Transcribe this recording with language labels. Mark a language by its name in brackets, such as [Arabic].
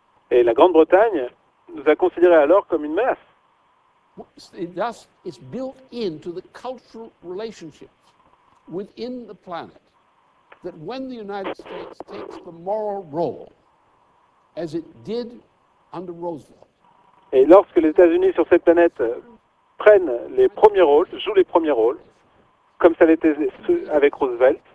[French] Et la Grande-Bretagne nous a considérés alors comme une menace. [English] Thus, it's built into the cultural relationships within the planet that when the United States takes the moral role, as it did under Roosevelt. [French] Et lorsque les États-Unis sur cette planète prennent les premiers rôles, jouent les premiers rôles, comme ça l'était avec Roosevelt.